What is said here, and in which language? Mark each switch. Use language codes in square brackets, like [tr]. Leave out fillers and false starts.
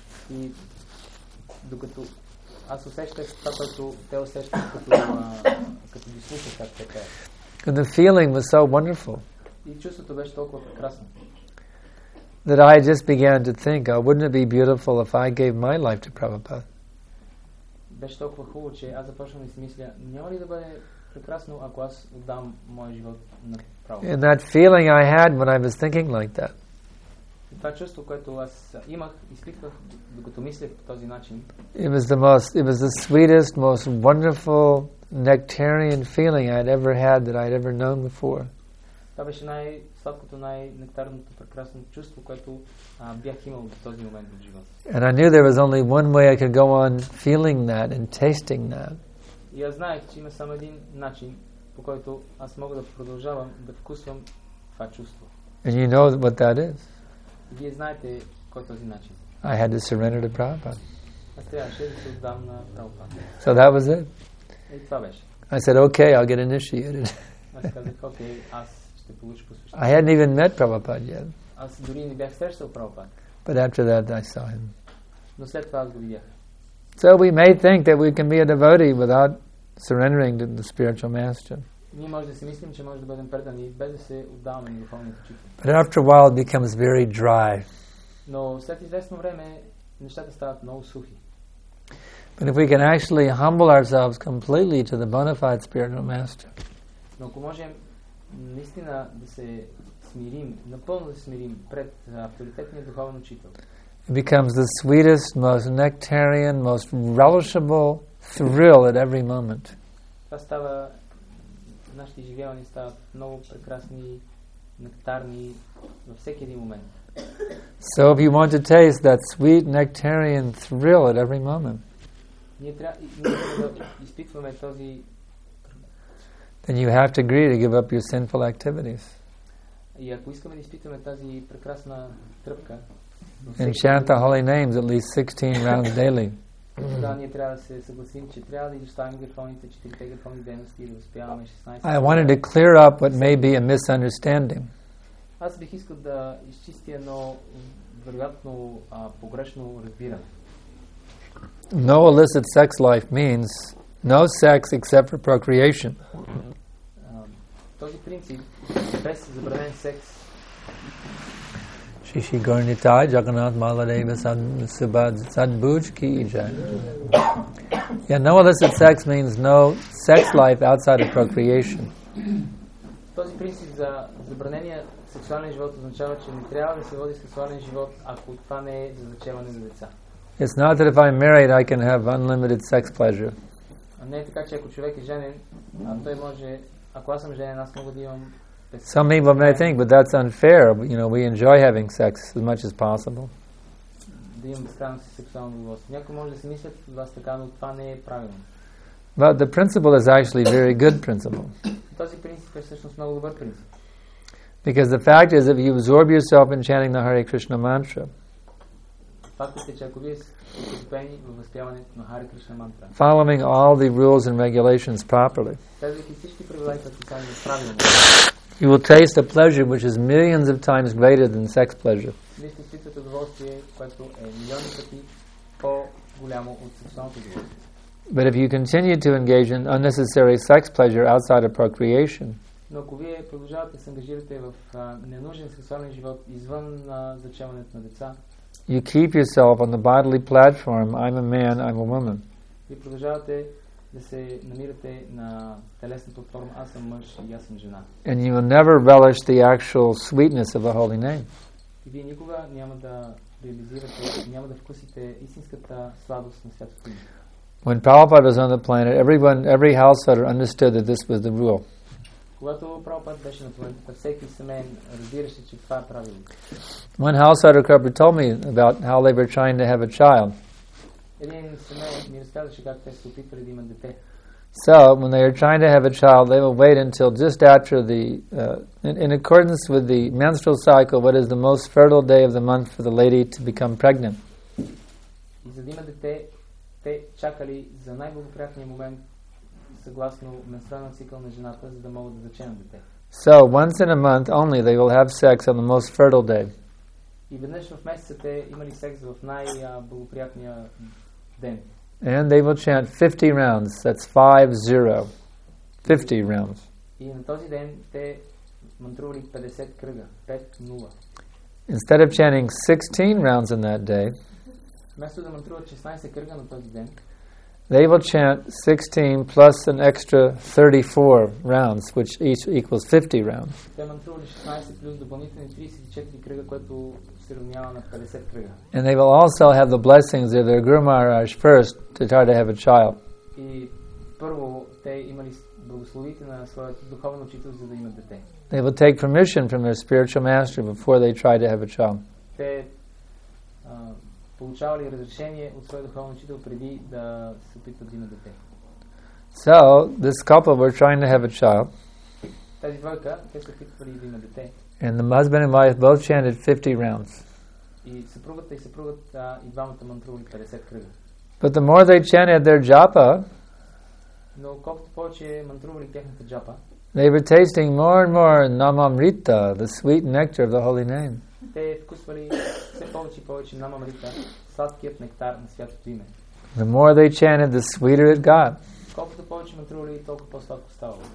[bg] И докато аз усещах това, което те усещах, като, като ги слушах, как те кажа. [en] The feeling was so wonderful. [bg] И чувството беше толкова прекрасно. [en] That I just began to think, oh, wouldn't it be beautiful if I gave my life to Prabhupada? [bg] Беше толкова хубаво, че аз започвам да си мисля, няма ли да бъде прекрасно, ако аз отдам моя живот на Прабхупада? [en] And that feeling I had when I was thinking like that. [bg] Това чувство, което аз имах, изпитвах, докато мислех по този начин. [en] It was the sweetest, most wonderful nectarian feeling I had ever had that I had ever known before. [bg] Това беше най-сладкото, най-нектарното, прекрасно чувство, което бях имал в този момент в живота. [en] And I knew there was only one way I could go on feeling that and tasting that. [bg] И аз знаех, че има само един начин, по който аз мога да продължавам да вкусвам това чувство. [en] And you know what that is. [bg] Вие знаете кой е този начин. [en] I had to surrender to Prabhupada. [bg] Аз трябваше да се отдам на Prabhupada. [en] So that was it. [bg] И това беше. [en] I said, okay, I'll get initiated. [bg] Аз казах, okay, аз [en] I hadn't even met Prabhupada yet. [bg] Аз дори не бях срещал Прабхупад. [en] But after that I saw him. [bg] Но след това аз го видях. [en] So we may think that we can be a devotee without surrendering to the spiritual master. [bg] Ние може да си мислим, че може да бъдем предани без да се отдаваме на духовния учител. [en] But after a while it becomes very dry. [bg] Но след известно време нещата стават много сухи. [en] But if we can actually humble ourselves completely to the bona fide spiritual master. [bg] Но ако можем наистина да се смирим, напълно да се смирим пред авторитетния духовен учител. [en] It becomes the sweetest, most nectarian, most relishable thrill at every moment. [bg] Това става, нашите изживявания стават много прекрасни, нектарни във всеки един момент. [en] So if you want to taste that sweet, nectarian thrill at every moment, [bg] ние трябва да изпитваме този [en] then you have to agree to give up your sinful activities. [bg] И ако искаме да изпитаме тази прекрасна тръпка, [en] and chant the holy names at least 16 rounds daily. [bg] Да, ние трябва да се съгласим, че трябва да изоставим грифоните, четирите грифони дейности и да успяваме 16. [en] I wanted to clear up what may be a misunderstanding. [bg] Аз бих искал да изчистя едно вероятно погрешно разбиране. [en] No illicit sex life means no sex except for procreation. [bg] Този принцип без забранен секс. [hi] Shri Shri Gaur-Nitai Jagannath Maladeva Sadbhuj Ki Jai. [en] Yeah, no illicit sex means no sex life outside of procreation. [bg] Този принцип за забранения сексуален живот означава, че не трябва да се води сексуален живот, ако това не е за зачеване на деца. [en] It's not that if I'm married I can have unlimited sex pleasure. [bg] Не е така, че ако човек е женен, той може, ако аз съм женен, аз мога да имам. [en] Some people may think, but that's unfair. You know, we enjoy having sex as much as possible. [bg] Да имам безкрайно сексуално удоволствие. Някой може да си мислят от вас така, но това не е правилно. [en] But the principle is actually a very good principle. [bg] Този принцип е всъщност много добър принцип. [en] Because the fact is, if you absorb yourself in chanting the Hare Krishna mantra, [bg] фактът е, че ако вие окупени във възпяването на Хари Кришна мантра. [en] Following all the rules and regulations properly. [bg] Следвайки всички правила и предписания правилно. [en] You will taste a pleasure which is millions of times greater than sex pleasure. [bg] Вие ще изпитате удоволствие, което е милиони пъти по-голямо от сексуалното удоволствие. [en] But if you continue to engage in unnecessary sex pleasure outside of procreation. [bg] Но ако вие продължавате да се ангажирате в ненужен сексуален живот извън зачеването на деца, [en] you keep yourself on the bodily platform. I'm a man, I'm a woman. [bg] Вие продължавате да се намирате на телесната платформа. Аз съм мъж и аз съм жена. [en] And you will never relish the actual sweetness of a holy name. [bg] И вие никога няма да реализирате, няма да вкусите истинската сладост на святото име. [en] When Prabhupada was on the planet, every householder understood that this was the rule. [bg] Когато Прабхупад беше на планетата, всеки семейен разбираше, че това е правилно. [en] One householder couple told me about how they were trying to have a child. [bg] Един семейен ми разказваше как те се опитвали да имат дете. [en] So, when they are trying to have a child, they will wait until just after the, in accordance with the menstrual cycle, what is the most fertile day of the month for the lady to become pregnant. [bg] И за да имат дете, те чакали за най-благоприятния момент съгласно менструален цикъл на жената, за да могат да зачеят дете. [en] So, once in a month only, they will have sex on the most fertile day. [bg] И веднъж в месеца те имали секс в най-благоприятния ден. [en] And they will chant 50 rounds. That's 50. 50 rounds. [bg] И на този ден те мантрували 50 кръга. [en] 5-0. Instead of chanting 16 rounds in that day, [bg] вместо да мантруват 16 кръга на този ден, [en] they will chant 16 plus an extra 34 rounds, which each equals 50 rounds. [bg] Те мантрували 16 плюс допълнителни 34 кръга, което се равнява на 50 кръга. [en] And they will also have the blessings of their Guru Maharaj first to try to have a child. [bg] И първо те имали благословите на своят духовен учител, за да имат дете. [en] They will take permission from their spiritual master before they try to have a child. [bg] Те получавали разрешение от своя духовен учител преди да се опитват да имат дете. [en] So, this couple were trying to have a child. [bg] Тази двойка, те се опитвали да имат дете. [en] And the husband and wife both chanted 50 rounds. [bg] И съпругата и съпругът и двамата мантрували 50 кръга. [en] But the more they chanted their japa, [bg] но колкото повече мантрували техната джапа, [en] they were tasting more and more Namamrita, the sweet nectar of the holy name. [bg] Те вкусвали все повече и повече Намамрита, сладкият нектар на святото име. [en] The more they chanted, the sweeter it got. [bg] Колкото повече мантрували, толкова по-сладко ставало.